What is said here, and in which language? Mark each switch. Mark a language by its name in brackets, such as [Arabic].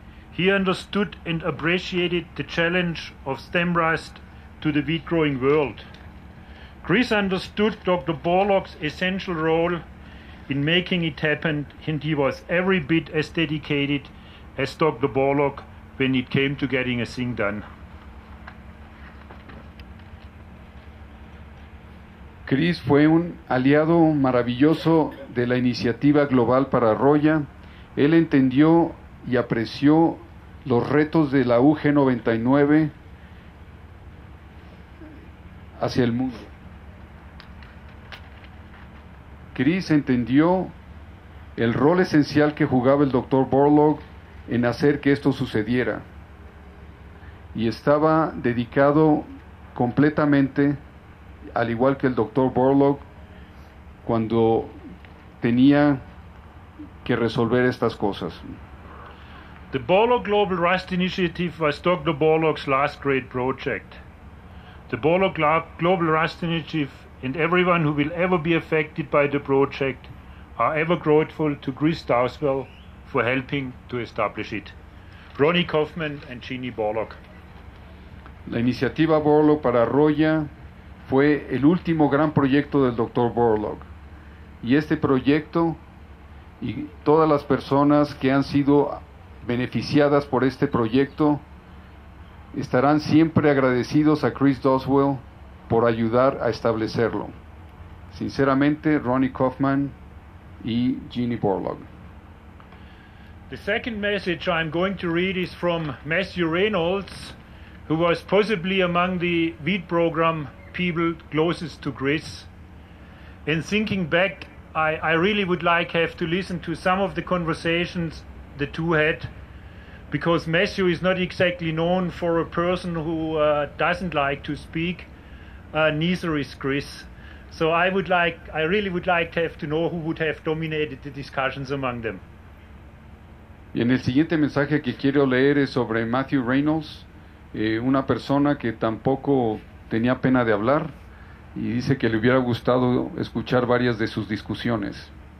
[English] He understood and appreciated the challenge of stem rust to the wheat-growing world. Chris understood Dr. Borlaug's essential role in making it happen, and he was every bit as dedicated as Dr. Borlaug when it came to getting a thing done. [Spanish] Chris fue un aliado maravilloso de la iniciativa global para Roya. Él entendió y apreció los retos de la UG99 hacia el mundo. Chris entendió el rol esencial que jugaba el Dr. Borlaug en hacer que esto sucediera, y estaba dedicado completamente, al igual que el Dr. Borlaug, cuando tenía que resolver estas cosas. [English] The Borlaug Global Rust Initiative was Dr. Borlaug's last great project. The Borlaug Global Rust Initiative and everyone who will ever be affected by the project are ever grateful to Chris Dowswell for helping to establish it. Ronnie Kaufman and Jeannie Borlaug. [Spanish] La iniciativa Borlaug para Roya fue el último gran proyecto del Dr. Borlaug. Y este proyecto y todas las personas que han sido beneficiadas por este proyecto estarán siempre agradecidos a Chris Dowswell por ayudar a establecerlo. Sinceramente, Ronnie Kaufman y Jeannie Borlaug. [English] The second message I'm going to read is from Matthew Reynolds, who was possibly among the WEED program people closest to Chris. In thinking back, I really would like have to listen to some of the conversations the two had, because Matthew is not exactly known for a person who doesn't like to speak, neither is Chris. So I really would like to have to know who would have dominated the discussions among them. [Spanish] Y en el siguiente mensaje que quiero leer es sobre Matthew Reynolds, una persona que tampoco tenía pena de hablar, y dice que le hubiera gustado escuchar varias de sus discusiones.